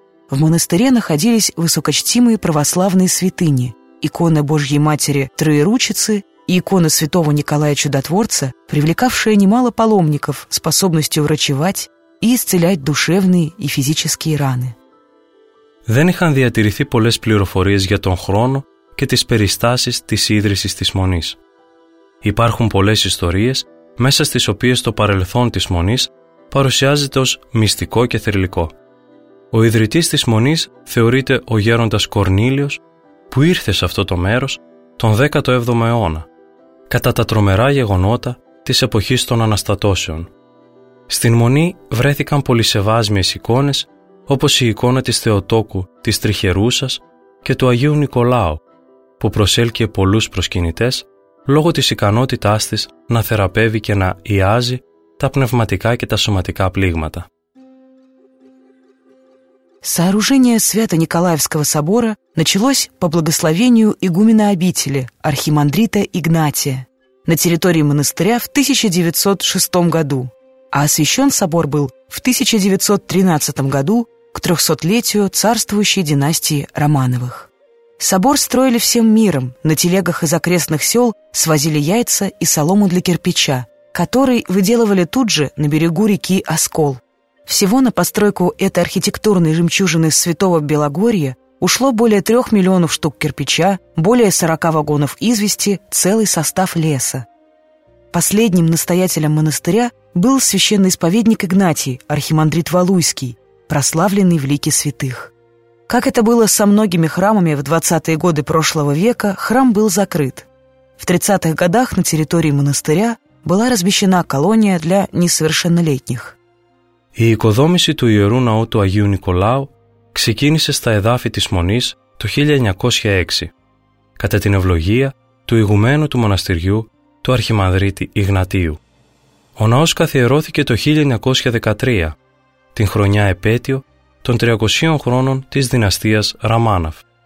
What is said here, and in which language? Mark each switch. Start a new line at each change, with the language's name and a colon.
Russian: В монастыре находились высокочтимые православные святыни – икона Божьей Матери Троеручицы и икона святого Николая Чудотворца, привлекавшая немало паломников способностью врачевать и исцелять душевные и физические раны.
Greek: Δεν είχαν διατηρηθεί πολλές πληροφορίες για τον χρόνο και τις περιστάσεις της ίδρυσης της Μονής. Υπάρχουν πολλές ιστορίες μέσα στις οποίες το παρελθόν της Μονής παρουσιάζεται ως μυστικό και θρυλικό. Ο ιδρυτής της Μονής θεωρείται ο γέροντας Κορνήλιος που ήρθε σε αυτό το μέρος τον 17ο αιώνα, κατά τα τρομερά γεγονότα της εποχής των Αναστατώσεων. Στην Μονή βρέθηκαν πολυσεβάσμιες εικόνες, όπως η εικόνα της Θεοτόκου της Τριχερούσας και του Αγίου Νικολάου, που προσέλκυε πολλούς προσκυνητές λόγω της ικανότητάς της να θεραπεύει και να ιάζει τα πνευματικά και τα σωματικά πλήγματα.
Russian: Сооружение Свято-Николаевского собора началось по благословению игумена обители, архимандрита Игнатия, на территории монастыря в 1906 году, а освящен собор был в 1913 году к 300-летию царствующей династии Романовых. Собор строили всем миром, на телегах из окрестных сел свозили яйца и солому для кирпича, который выделывали тут же на берегу реки Оскол. Всего на постройку этой архитектурной жемчужины Святого Белогорья ушло более 3 миллионов штук кирпича, более 40 вагонов извести, целый состав леса. Последним настоятелем монастыря был священный исповедник Игнатий, архимандрит Валуйский, прославленный в лике святых. Как это было со многими храмами в 20-е годы прошлого века, храм был закрыт. В 30-х годах на территории монастыря была размещена колония для несовершеннолетних.
Greek: Η οικοδόμηση του Ιερού Ναού του Αγίου Νικολάου ξεκίνησε στα εδάφη της Μονής το 1906, κατά την ευλογία του ηγουμένου του μοναστηριού, του Αρχιμανδρίτη Ιγνατίου. Ο ναός καθιερώθηκε το 1913, την χρονιά επέτειο των 300 χρόνων της δυναστείας Ραμάναφ.